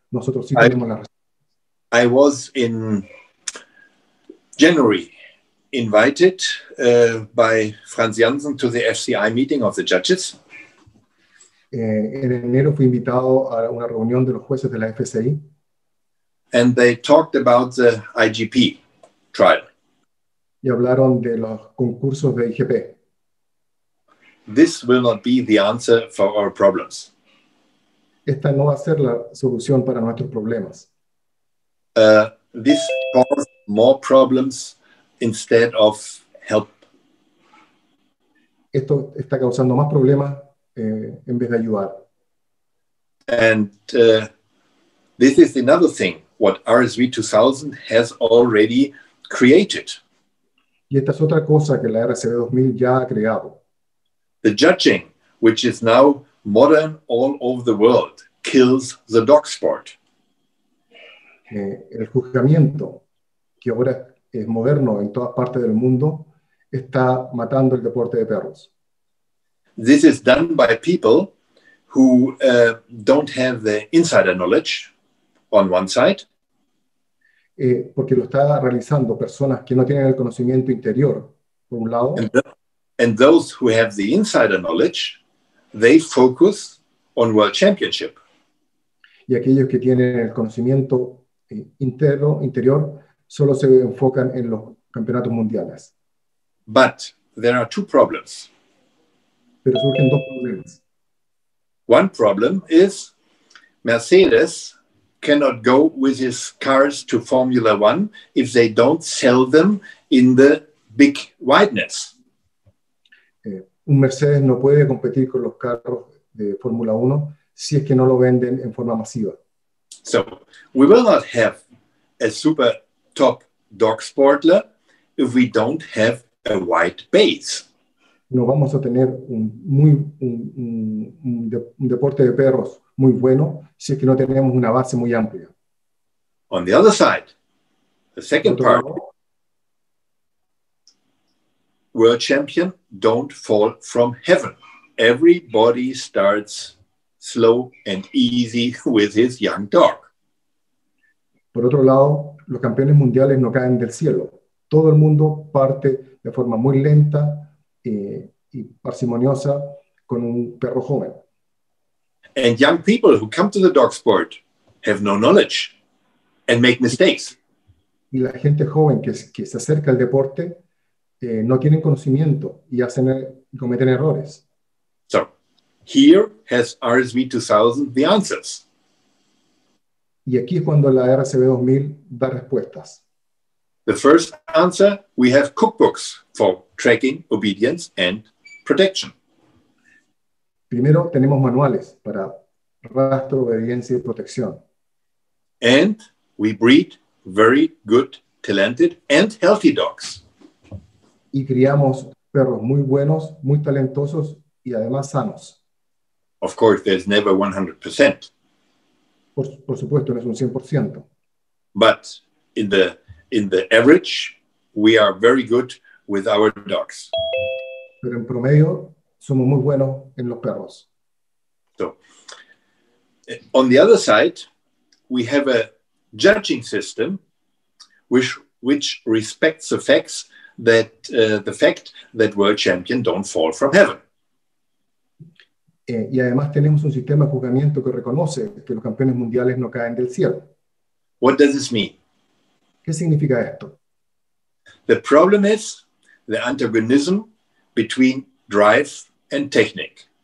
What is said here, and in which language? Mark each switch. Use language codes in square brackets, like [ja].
[es] Nosotros sí tenemos las respuestas. [en] I was in January invited by Franz Janssen to the FCI meeting of the judges. [es] En enero fui invitado a una reunión de los jueces de la FCI. [en] And they talked about the IGP trial. [es] Y hablaron de los concursos de IGP. [en] This will not be the answer for our problems. [es] Esta no va a ser la solución para nuestros problemas. [en] This causes more problems instead of help. [es] Esto está causando más problemas en vez de ayudar. [en] And this is another thing what RSV 2000 has already created. [es] Y esta es otra cosa que la RSV 2000 ya ha creado. [en] The judging, which is now modern all over the world, kills the dog sport. [es] El juzgamiento, que ahora es moderno en todas partes del mundo, está matando el deporte de perros. [en] This is done by people who don't have the insider knowledge on one side. [es] Porque lo está realizando personas que no tienen el conocimiento interior, por un lado. [en] And those who have the insider knowledge, they focus on world championship. [es] Y aquellos que tienen el conocimiento interior solo se enfocan en los campeonatos mundiales. [en] But there are two problems. [es] Pero surgen dos problemas. [en] One problem is Mercedes cannot go with his cars to Formula One if they don't sell them in the big wideness. [es] Un Mercedes no puede competir con los carros de Fórmula 1 si es que no lo venden en forma masiva. [en] So, we will not have a super top dog sportler if we don't have a wide base. [es] No vamos a tener un deporte de perros muy bueno si es que no tenemos una base muy amplia. [en] On the other side, the second part, world champion don't fall from heaven. Everybody starts slow and easy with his young dog. [es] Por otro lado, los campeones mundiales no caen del cielo. Todo el mundo parte de forma muy lenta y parsimoniosa con un perro joven. [en] And young people who come to the dog sport have no knowledge and make mistakes. [es] Y la gente joven que se acerca al deporte no tienen conocimiento y hacen cometen errores. [en] So, here has RSV 2000 the answers. [es] Y aquí es cuando la RSV 2000 da respuestas. [en] The first answer, we have cookbooks for tracking, obedience and protection. [es] Primero, tenemos manuales para rastro, obediencia y protección. [en] And we breed very good, talented and healthy dogs. [es] Y criamos perros muy buenos, muy talentosos y además sanos. [en] Of course, there's never 100%. [es] Por supuesto, no es un 100%. [en] But in the average, we are very good with our dogs. [es] Pero en promedio, somos muy buenos en los perros. [en] So, on the other side, we have a judging system which respects the fact that world champions don't fall from heaven. [es] Y además tenemos un sistema de juzgamiento que reconoce que los campeones mundiales no caen del cielo. [en] What does this mean? [es] ¿Qué significa esto? [en] The problem is the antagonism between drive and technique.